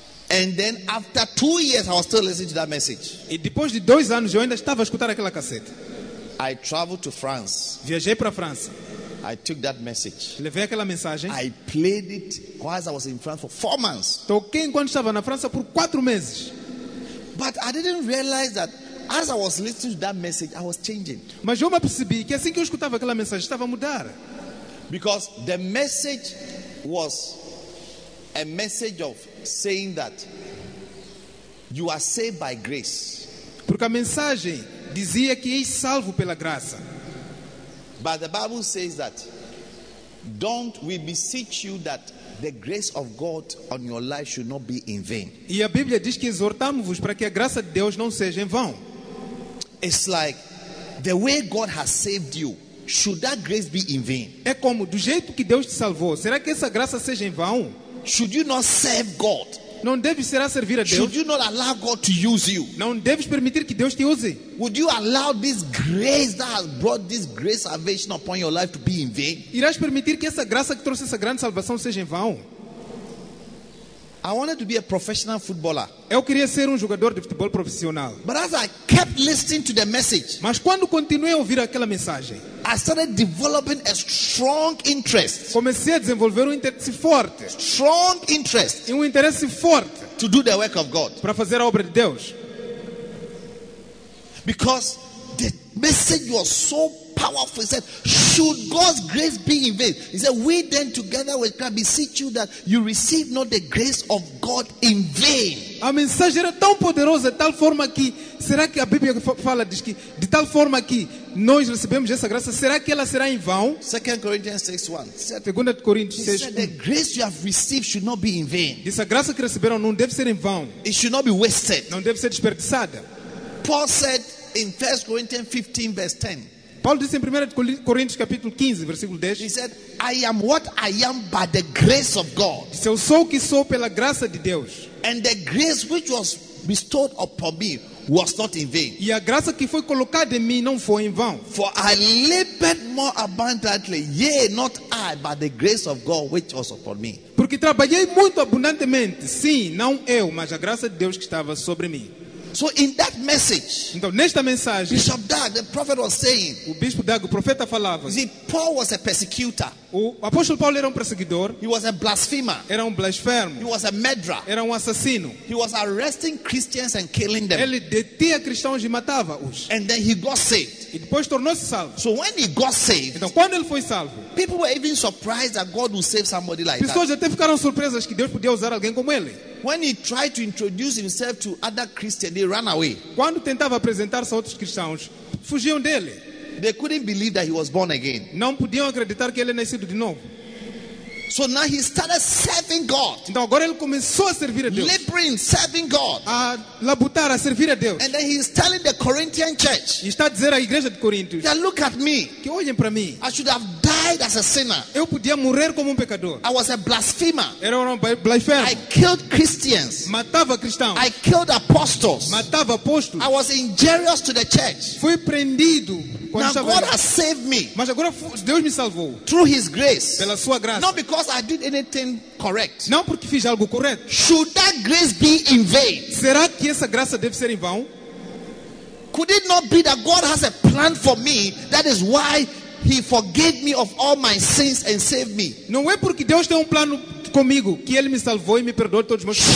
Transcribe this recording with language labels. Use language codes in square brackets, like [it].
[en] And then after 2 years, I was still listening to that message. [pt] E depois de 2 anos, eu ainda estava a escutar aquela cassete. [en] I traveled to France. [pt] Viajei para a França. [en] I took that message. [pt] Levei aquela mensagem. [en] I played it while I was in France for 4 months. [pt] Toquei enquanto estava na França por 4 meses. [en] But I didn't realize that as I was listening to that message, I was changing. [pt] Mas eu me percebi que assim que eu escutava aquela mensagem, estava a mudar. [en] Because the message was a message of saying that you are saved by grace. [pt] Porque a mensagem dizia que és salvo pela graça. [en] But the Bible says that don't we beseech you that the grace of God on your life should not be in vain. [pt] E a Bíblia diz que exortamos-vos para que a graça de Deus não seja em vão. [en] It's like the way God has saved you, should that grace be in vain? [pt] É como do jeito que Deus te salvou, será que essa graça seja em vão? [en] Should you not serve God? [pt] Não deves será servir a Deus? [en] Should you not allow God to use you? [pt] Não deves permitir que Deus te use? [en] Would you allow this grace that has brought this great salvation upon your life to be in vain? [pt] Irás permitir que essa graça que trouxe essa grande salvação seja em vão? [en] I wanted to be a professional footballer. [pt] Eu queria ser jogador de futebol profissional. [en] But as I kept listening to the message, [pt] mas quando continuei a ouvir aquela mensagem, [en] I started developing a strong interest. [pt] Comecei a desenvolver interesse forte. [en] Strong interest. [pt] Interesse forte. [en] To do the work of God. [pt] Para fazer a obra de Deus. [en] Because the message was so powerful. He said, should God's grace be in vain? He said, we then together with God beseech you that you receive not the grace of God in vain. [pt] A mensagem era tão poderosa, de tal forma que, será que a Bíblia fala, diz que, de tal forma que nós recebemos essa graça, será que ela será em vão? 2 Coríntios 6:1. [en] The grace you have received should not be in vain. [pt] Diz, a graça que receberam não deve ser em vão. [en] It should not be wasted. [pt] Não deve ser desperdiçada. [en] Paul said in 1 Corinthians 15:10. [pt] Paulo disse em 1 Coríntios capítulo 15, versículo 10. [en] He said, I am what I am by the grace of God. [pt] Disse, eu sou o que sou pela graça de Deus. [en] And the grace which was bestowed upon me was not in vain. [pt] E a graça que foi colocada em mim não foi em vão. [en] For I labored more abundantly, yea, not I, but the grace of God which was upon me. [pt] Porque trabalhei muito abundantemente, sim, não eu, mas a graça de Deus que estava sobre mim. [en] So in that message, [pt] então, nesta mensagem, [en] Bishop Doug, the prophet was saying, [pt] o Bispo Doug, o profeta falava, [en] see, Paul was a persecutor. [pt] O apóstolo Paulo era perseguidor. [en] He was a blasphemer. [pt] Era blasfemo. [en] He was a murderer. [pt] Era assassino. [en] He was arresting Christians and killing them. [pt] Ele detinha cristãos e matava-os. [en] And then he got saved. [pt] E depois tornou-se salvo. [en] So when he got saved, [pt] então, quando ele foi salvo, [en] people were even surprised that God would save somebody like [pt] pessoas [en] that. [pt] Até ficaram surpresas que Deus podia usar alguém como ele. [en] When he tried to introduce himself to other Christians, they ran away. [pt] Quando tentava apresentar-se a outros cristãos, fugiam dele. [en] They couldn't believe that he was born again. [pt] Não podiam acreditar que ele nascido de novo. [en] So now he started serving God. [pt] Então agora ele começou a servir a Deus. [en] Laboring, serving God. [pt] A labutar, a servir a Deus. [en] And then he is telling the Corinthian church. [pt] E está a dizer à igreja de Corinto. [en] That look at me. [pt] Que olhem para mim. [en] I should have died as a sinner. [pt] Eu podia morrer como pecador. [en] I was a blasphemer. [pt] Era blasfemo. [en] I killed Christians. [pt] Matava cristãos. [en] I killed apostles. [pt] Matava apóstolos. [en] I was injurious to the church. [pt] Fui prendido. [en] Now God has saved me. [pt] Mas agora Deus me salvou. [en] Through his grace. [pt] Pela sua graça. [en] Not because I did anything correct. [pt] Não porque fiz algo correto. [en] Should that grace be in vain? [pt] Será que essa graça deve ser em vão? [en] Could it not be that God has a plan for me? That is why he forgave me of all my sins and saved me. [pt] Não é porque Deus tem plano comigo que ele me salvou e me perdoou todos os meus pecados.